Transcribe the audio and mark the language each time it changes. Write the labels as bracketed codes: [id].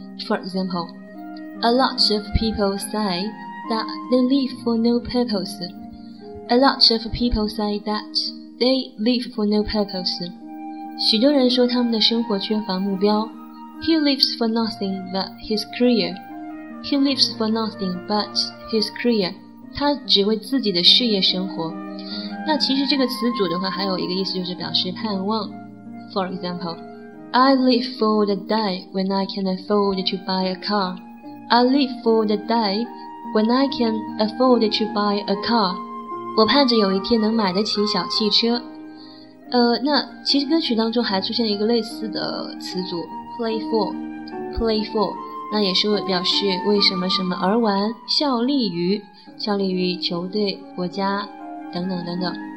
[en] For example， A lot of people say that they live for no purpose。 A lot of people say thatThey live for no purpose. [zh] 许多人说他们的生活缺乏目标。 [en] He lives for nothing but his career. He lives for nothing but his career. [zh] 他只为自己的事业生活。那其实这个词组的话还有一个意思，就是表示盼望。 [en] For example, I live for the day when I can afford to buy a car. I live for the day when I can afford to buy a car. [zh] 我盼着有一天能买得起小汽车。那其实歌曲当中还出现了一个类似的词组 play for。 play for 那也是表示为什么什么而玩，效力于球队、国家等等等等。